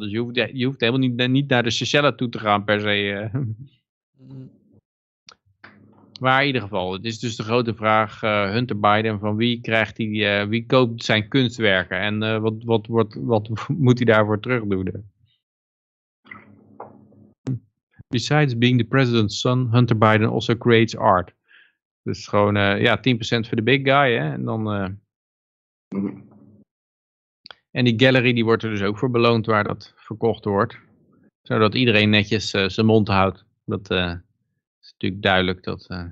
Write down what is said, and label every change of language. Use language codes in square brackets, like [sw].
[nl] Dus je hoeft helemaal niet naar de Seychelles toe te gaan per se. Maar in ieder geval, het is dus de grote vraag, Hunter Biden, van wie krijgt hij, wie koopt zijn kunstwerken en wat moet hij daarvoor terug doen? [en] Besides being the president's son, Hunter Biden also creates art. [nl] Dus gewoon, 10% voor de [en] big guy, [nl] hè? En dan, en die gallery die wordt er dus ook voor beloond waar dat verkocht wordt. Zodat iedereen netjes zijn mond houdt. Dat is natuurlijk duidelijk dat.